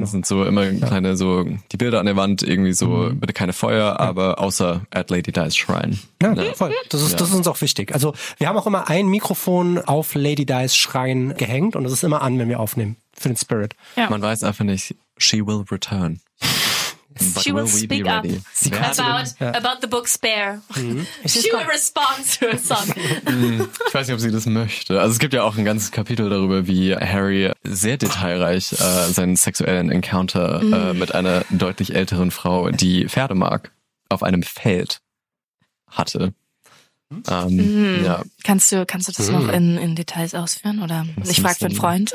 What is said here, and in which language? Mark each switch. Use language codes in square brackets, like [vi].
[de] Das sind so immer kleine, so die Bilder an der Wand, irgendwie so, bitte keine Feuer, aber außer at Lady Di's Schrein. Ja, voll. Das ist uns auch wichtig. Also wir haben auch immer ein Mikrofon auf Lady Di's Schrein gehängt und das ist immer an, wenn wir aufnehmen, für den Spirit. Ja. Man weiß einfach nicht, [en] she will return. But she will speak up about the book Spare. Mm-hmm. She will respond to her song. [de] Ich weiß nicht, ob sie das möchte. Also es gibt ja auch ein ganzes Kapitel darüber, wie Harry sehr detailreich seinen sexuellen Encounter mit einer deutlich älteren Frau, die Pferde mag, auf einem Feld hatte. Ja. Kannst du das noch in Details ausführen? Oder ich frage für einen Freund.